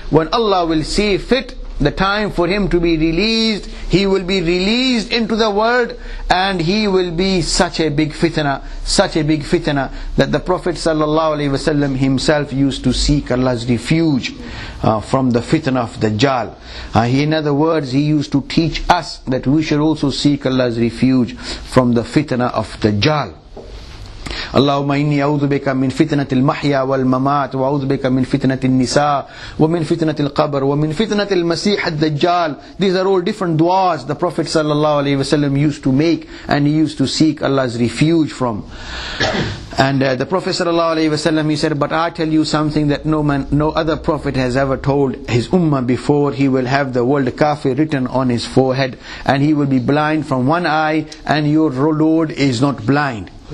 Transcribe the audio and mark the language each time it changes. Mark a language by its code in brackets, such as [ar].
[en] When Allah will see fit the time for him to be released, he will be released into the world, and he will be such a big fitna that the Prophet sallallahu alaihi wasallam himself used to seek Allah's refuge from the fitna of Dajjal. In other words, he used to teach us that we should also seek Allah's refuge from the fitna of Dajjal. [ar] اللهم إني أعوذ بك من فتنة المحيا والممات وأعوذ بك من فتنة النساء ومن فتنة القبر ومن فتنة المسيح الدجال. [en] These are all different du'as the Prophet sallallahu alaihi wasallam used to make, and he used to seek Allah's refuge from. And the Prophet sallallahu alaihi wasallam, he said, "But I tell you something that no man, no other prophet has ever told his ummah before. He will have the word kafir written on his forehead, and he will be blind from one eye, and your Lord is not blind."